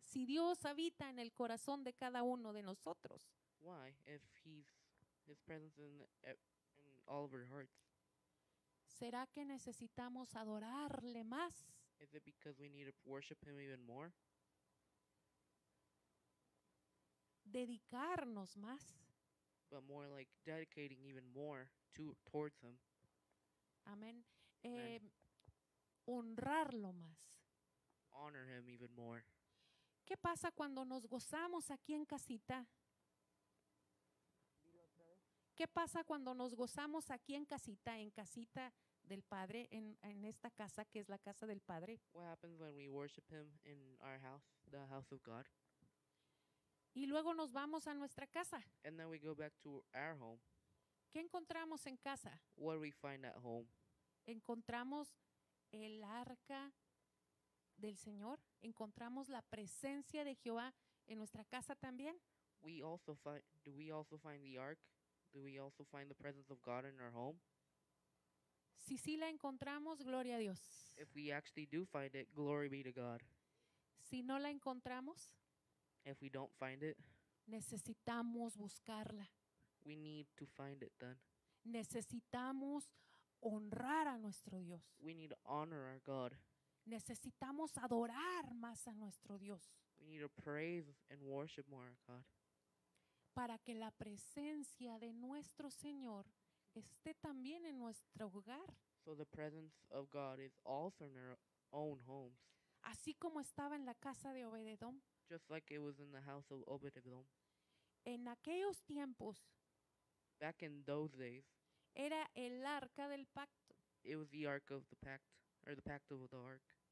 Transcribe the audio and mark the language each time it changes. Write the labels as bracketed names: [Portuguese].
[Spanish] Si Dios habita en el corazón de cada uno de nosotros. [English] Why? If his presence in all of our hearts. [Spanish] ¿Será que necesitamos adorarle más? [English] Is it because we need to worship him even more? [Spanish] Dedicarnos más. [English] But more like dedicating even more towards him. [Spanish] Amén. Honrarlo más. [English] Honor him even more. [Spanish] ¿Qué pasa cuando nos gozamos aquí en casita? ¿Qué pasa cuando nos gozamos aquí en casita del Padre en esta casa que es la casa del Padre. [English] What happens when we worship him in our house, the house of God? [Spanish] Y luego nos vamos a nuestra casa. [English] And then we go back to our home. [Spanish] ¿Qué encontramos en casa? [English] What do we find at home? [Spanish] Encontramos el arca del Señor. Encontramos la presencia de Jehová en nuestra casa también. [English] Do we also find the ark? Do we also find the presence of God in our home? [Spanish] Si sí la encontramos, gloria a Dios. [English] If we actually do find it, glory be to God. [Spanish] Si no la encontramos, [English] if we don't find it, [Spanish] necesitamos buscarla. [English] We need to find it then. [Spanish] Necesitamos honrar a nuestro Dios. [English] We need to honor our God. [Spanish] Necesitamos adorar más a nuestro Dios. [English] We need to praise and worship more our God. [Spanish] Para que la presencia de nuestro Señor esté también en nuestro hogar. [English] So the presence of God is also in our own homes. [Spanish] Así como estaba en la casa de Obed-Edom. [English] Just like it was in the house of Obed-Edom. [Spanish] En aquellos tiempos. [English] Back in those days. [Spanish] Era el arca del pacto. [English] It was the ark of the pact, or the pact of the ark.